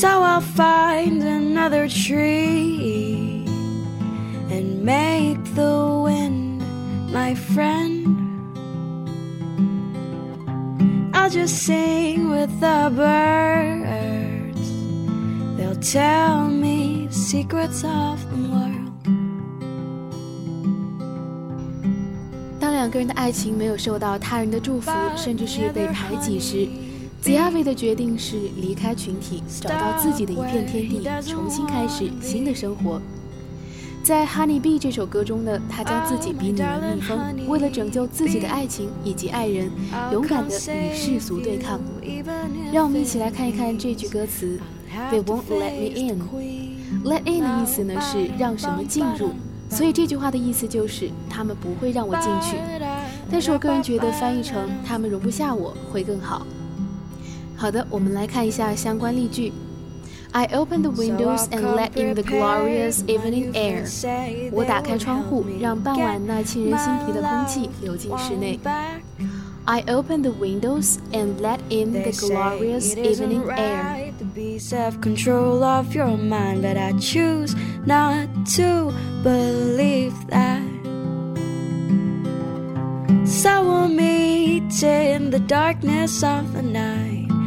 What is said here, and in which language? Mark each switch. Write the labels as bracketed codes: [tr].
[en] So I'll find another tree and make the wind my friend. I'll just sing with the birds. They'll tell me secrets of the world. [zh] 两个人的爱情没有受到他人的祝福，甚至是被排挤时，子亚薇的决定是离开群体，找到自己的一片天地，重新开始新的生活。在 Honey Bee 这首歌中呢，他将自己比女人蜜蜂，为了拯救自己的爱情以及爱人，勇敢地与世俗对抗。让我们一起来看一看这句歌词 [en] They won't let me in。 [zh] Let in 的意思呢是让什么进入，所以这句话的意思就是他们不会让我进去，但是我个人觉得翻译成他们容不下我会更好。好的，我们来看一下相关例句。 [en] I open the windows and let in the glorious evening air. [zh] 我打开窗户，让傍晚那沁人心脾的空气流进室内。 [en] I open the windows and let in the glorious evening air. To be self-control of your mind, but I choose not to believe that. So we'll meet in the darkness of the night.